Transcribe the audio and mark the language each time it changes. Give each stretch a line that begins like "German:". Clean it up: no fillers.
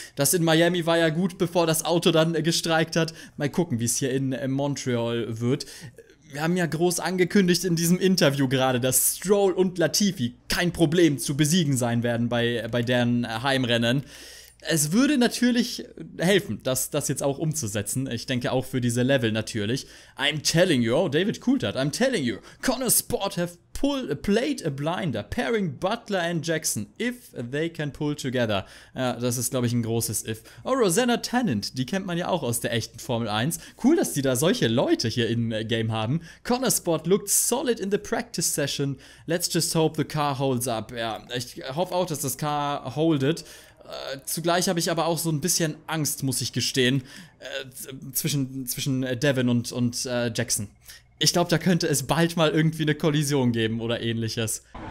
German: Das in Miami war ja gut, bevor das Auto dann gestreikt hat. Mal gucken, wie es hier in Montreal wird. Wir haben ja groß angekündigt in diesem Interview gerade, dass Stroll und Latifi kein Problem zu besiegen sein werden bei deren Heimrennen. Es würde natürlich helfen, das jetzt auch umzusetzen. Ich denke auch für diese Level natürlich.
English: I'm telling you, oh, David Coulthard, I'm telling you. Connor Sport have played a blinder, pairing Butler and Jackson, if they can pull together.
German: Ja, das ist, glaube ich, ein großes If. Oh, Rosanna Tennant, die kennt man ja auch aus der echten Formel 1. Cool, dass die da solche Leute hier in Game haben.
English: Connor Sport looked solid in the practice session. Let's just hope the car holds up.
German: Ja, ich hoffe auch, dass das Car holdet. Zugleich habe ich aber auch so ein bisschen Angst, muss ich gestehen, zwischen Devin und Jackson. Ich glaube, da könnte es bald mal irgendwie eine Kollision geben oder ähnliches.